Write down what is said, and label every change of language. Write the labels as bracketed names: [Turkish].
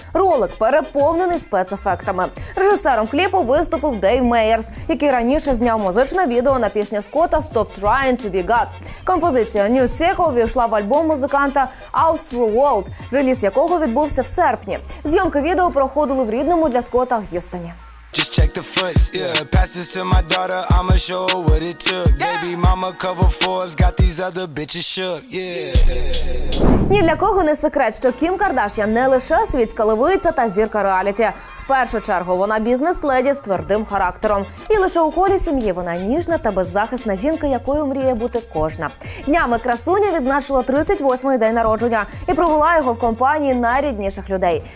[Ukrainian] Ролик переповнений спецефектами. Режисером кліпу виступив Дейв Мейерс, який раніше зняв музичне відео на пісню Скотта «Stop Trying to Be God». Композиція «New Sicko» увійшла в альбом музиканта «Astro World», реліз якого відбувся в серпні. Зйомки відео проходили в рідному для Скотта Г'юстоні. [English] Just check the foots, yeah. Pass this to my daughter, I'ma show her what it took. Baby mama cover Forbes, got these other bitches shook, yeah. [Ukrainian] Ні для кого не секрет, що Кім Кардашян не лише світська левиця та зірка реаліті. В першу чергу вона бізнес-леді з твердим характером. І лише у колі сім'ї вона ніжна та беззахисна жінка, якою мріє бути кожна. Днями красуня відзначила 38-й день народження і провела його в компанії найрідніших людей.